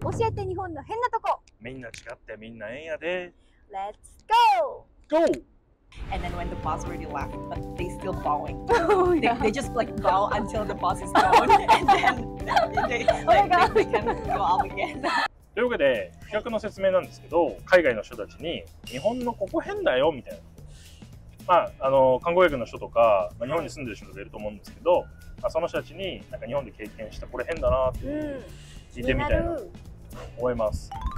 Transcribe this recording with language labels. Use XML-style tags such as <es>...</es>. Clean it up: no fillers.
<ja>教えて日本の変なとこ、みんな違ってみんな変やで。</ja> <en>Let's go! Go! And then when the boss already left, but they still bowing. They just like bow until the boss is gone. And then they can go up again.</en> <ja>というわけで、企画の説明なんですけど、海外の人たちに日本のここ変だよみたいな、まあ、観光客の人とか、まあ、日本に住んでる人がいると思うんですけど、まあ、その人たちになんか日本で経験したこれ変だなって聞いてみたいなと思います。</ja>